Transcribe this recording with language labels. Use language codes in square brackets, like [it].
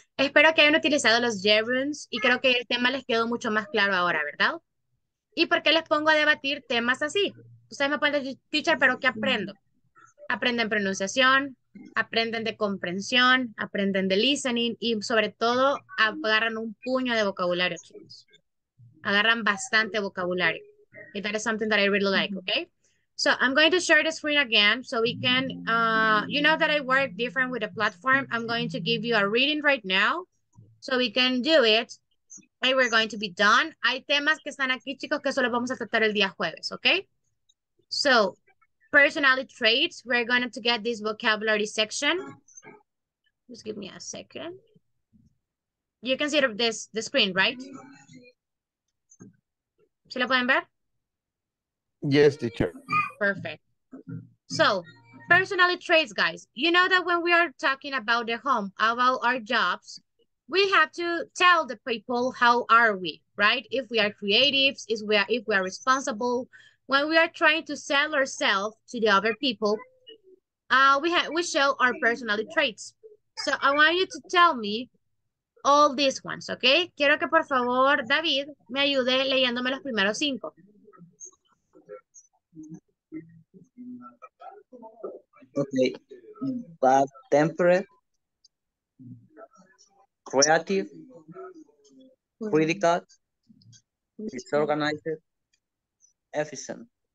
[es] Espero que hayan utilizado los gerunds y creo que el tema les quedó mucho más claro ahora, ¿verdad? ¿Y por qué les pongo a debatir temas así? Ustedes me pueden decir, teacher, ¿pero qué aprendo? Aprenden pronunciación, aprenden de comprensión, aprenden de listening y sobre todo agarran un puño de vocabulario, chicos. Agarran bastante vocabulario. [en] And that is something that I really like, okay? So I'm going to share the screen again so we can, you know that I work different with a platform. I'm going to give you a reading right now so we can do it. And we're going to be done. [es] Hay temas que están aquí, chicos, que solo vamos a tratar el día jueves, okay? [en] So personality traits, we're going to get this vocabulary section. Just give me a second. You can see the screen, right? [es] ¿Sí lo pueden ver? [en] Yes, teacher. Perfect. So, personality traits, guys. You know that when we are talking about the home, about our jobs, we have to tell the people how are we, right? If we are creatives, if we are responsible. When we are trying to sell ourselves to the other people, we show our personality traits. So I want you to tell me all these ones, okay? [es] Quiero que, por favor, David, me ayude leyéndome los primeros 5. [en] Okay, bad tempered, creative, critical, disorganized, efficient.